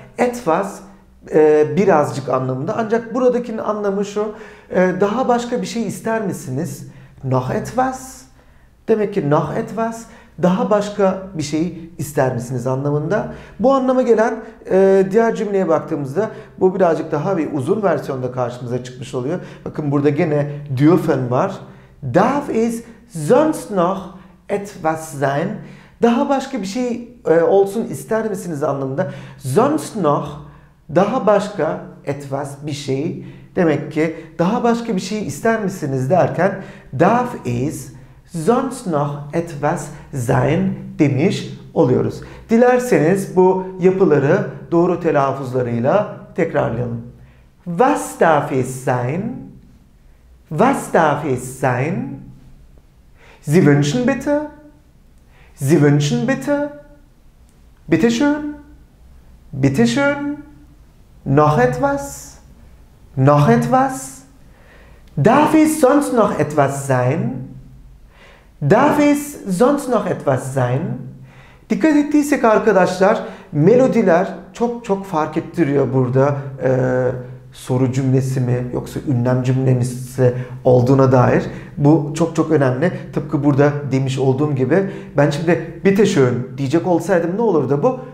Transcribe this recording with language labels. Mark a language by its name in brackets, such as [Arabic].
[Turkish] Etwas birazcık anlamında. Ancak buradakinin anlamı şu, daha başka bir şey ister misiniz? [German] Noch etwas. [Turkish] Demek ki noch etwas, daha başka bir şey ister misiniz anlamında. Bu anlama gelen diğer cümleye baktığımızda bu birazcık daha bir uzun versiyonda karşımıza çıkmış oluyor. Bakın burada gene dürfen var. [German] Darf es sonst noch etwas sein? [Turkish] Daha başka bir şey olsun ister misiniz anlamında. Sonst noch, daha başka etwas, bir şey. Demek ki daha başka bir şey ister misiniz derken [German] darf es sonst noch etwas sein [Turkish] demiş oluyoruz. Dilerseniz bu yapıları doğru telaffuzlarıyla tekrarlayalım. [German] Was darf es sein? Was darf es sein? Sie wünschen bitte? Sie wünschen bitte? Bitte schön? Bitte schön? Noch etwas? Noch etwas? Darf es sonst noch etwas sein? Darf es sonst noch etwas sein? [Turkish] Dikkat ettiysek arkadaşlar, melodiler çok çok fark ettiriyor burada soru cümlesi mi yoksa ünlem cümlesi olduğuna dair. Bu çok çok önemli. Tıpkı burada demiş olduğum gibi, ben şimdi [German] bitte schön [Turkish] diyecek olsaydım ne olurdu bu?